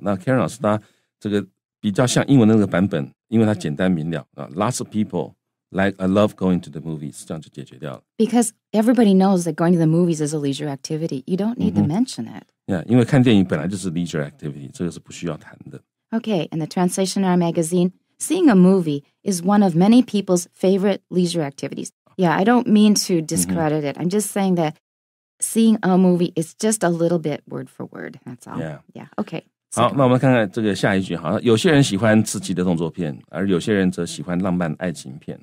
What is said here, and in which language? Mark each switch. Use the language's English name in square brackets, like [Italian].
[Chinese] 那 Karen 老师他这个比较像英文的那个版本，因为它简单明了啊。 [English] Lots of people like I love going to the movies， [Chinese] 这样就解决掉了。 [English] Because everybody knows that going to the movies is a leisure activity. You don't need to mention it. [Chinese] Yeah， 因为看电影本来就是 leisure activity， 这个是不需要谈的。 [English] Okay， and the translation in our magazine. Seeing a movie is one of many people's favorite leisure activities. Yeah, I don't mean to discredit it. I'm just saying that seeing a movie is just a little bit word for word. That's all. Yeah. Yeah. Okay. [Chinese] 好，那我们看看这个下一句。好，有些人喜欢刺激的动作片，而有些人则喜欢浪漫爱情片。